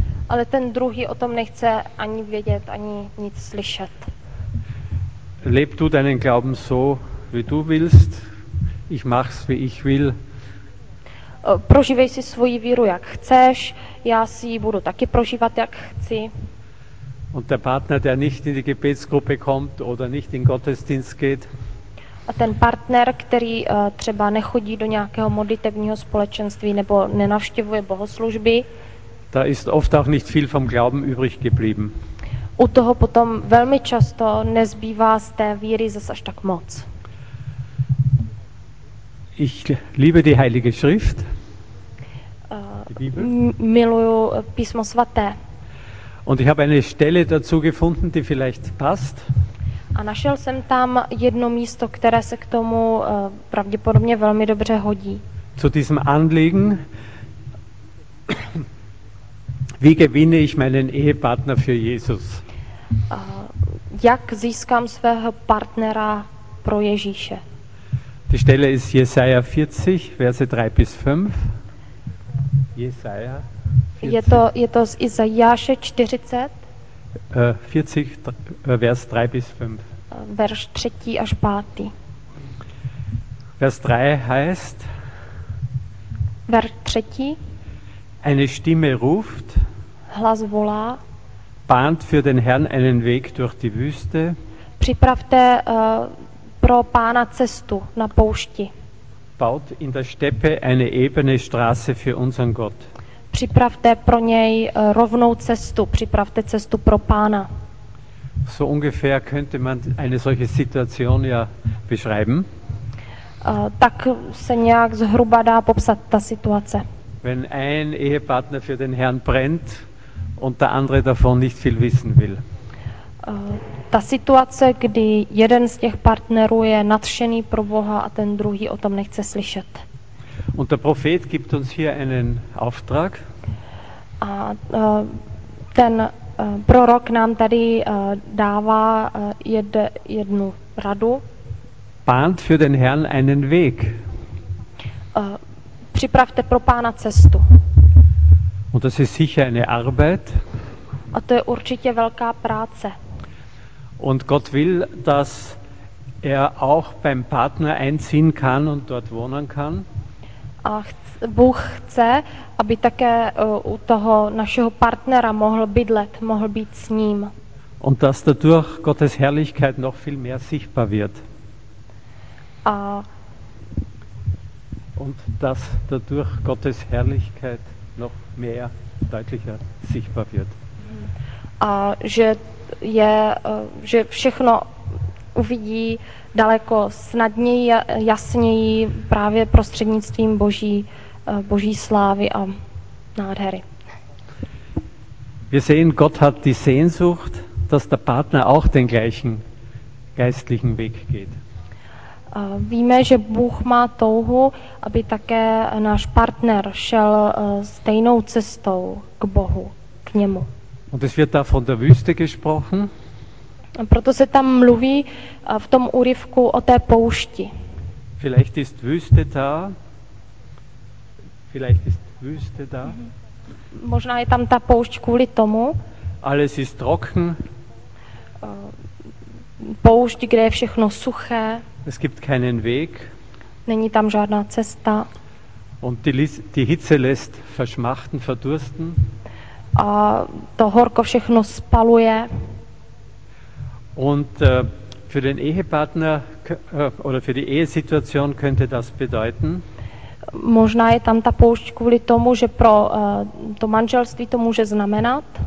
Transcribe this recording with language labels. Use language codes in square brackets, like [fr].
[cs] Ale ten druhý o tom nechce ani vědět, ani nic slyšet. [de] Leb du deinen Glauben so, wie du willst. Ich mach's, wie ich will. [cs] Prožívej si svoji víru, jak chceš, já si ji budu taky prožívat, jak chci. [de] Und der Partner, der nicht in die Gebetsgruppe kommt oder nicht in Gottesdienst geht. [cs] A ten partner, který třeba nechodí do nějakého modlitevního společenství nebo nenavštěvuje bohoslužby. [de] Da ist oft auch nicht viel vom Glauben übrig geblieben. [cs] U toho potom velmi často nezbývá z té víry zas až tak moc. [de] Ich liebe die Heilige Schrift. [cs] Miluju Písmo svaté. [de] Und ich habe eine Stelle dazu gefunden, die vielleicht passt. [cs] A našel jsem tam jedno místo, které se k tomu pravděpodobně velmi dobře hodí. [de] Zu diesem Anliegen. Wie gewinne ich meinen Ehepartner für Jesus? [cs] Jak získám svého partnera pro Ježíše? [de] Die Stelle ist Jesaja 40, Verse 3 bis 5. [cs] Jesaja 40. Je to z Izajáše 40. [de] 40, Vers 3 bis 5. [cs] Verš 3 až 5. [de] Vers 3 heißt. [cs] Verš 3. [de] Eine Stimme ruft. [cs] Hlas volá. [de] Bahnt für den Herrn einen Weg durch die Wüste. [cs] Připravte pro Pána cestu na poušti. [de] Baut in der Steppe eine ebene Straße für unseren Gott. [cs] Připravte pro něj rovnou cestu, připravte cestu pro Pána. [de] So ungefähr könnte man eine solche Situation ja beschreiben. [cs] Tak se nějak zhruba dá popsat ta situace. [de] Wenn ein Ehepartner für den Herrn brennt und der andere davon nicht viel wissen will. [cs] Ta situace, kdy jeden z těch partnerů je nadšený pro Boha a ten druhý o tom nechce slyšet. [de] Und der Prophet gibt uns hier einen Auftrag. [cs] A ten prorok nám tady dává jednu radu. [de] Bahnt für den Herrn einen Weg. [cs] Připravte pro Pána cestu. [de] Und das ist sicher eine Arbeit. [cs] A to je určitě velká práce. [de] Und Gott will, dass er auch beim Partner einziehen kann und dort wohnen kann. [cs] A Bůh chce, aby také u toho našeho partnera mohl bydlet, mohl být s ním. [de] Und dass dadurch Gottes Herrlichkeit noch viel mehr sichtbar wird. [cs] A [de] und dass dadurch Gottes Herrlichkeit noch mehr deutlicher sichtbar wird. [cs] A že je, že všechno uvidí daleko snadněji, jasněji právě prostřednictvím Boží slávy a nádhery. [de] Wir sehen, Gott hat die Sehnsucht, dass der Partner auch den gleichen geistlichen Weg geht. [cs] Víme, že Bůh má touhu, aby také náš partner šel stejnou cestou k Bohu, k němu. [de] Und es wird da von der Wüste gesprochen. [cs] A proto se tam mluví v tom úryvku o té poušti. [de] Vielleicht ist Wüste da. Vielleicht ist Wüste da. [cs] Možná je tam ta poušť kvůli tomu. [de] Alles ist trocken. [cs] Poušť, kde je všechno suché. [de] Es gibt keinen Weg. [cs] Není tam žádná cesta. [de] Und die Hitze lässt verschmachten, verdursten. [cs] A to horko všechno spaluje. [de] Und für den Ehepartner oder für die Ehesituation könnte das bedeuten. [cs] Možná je tam ta poušť kvůli tomu, že pro to manželství to může znamenat.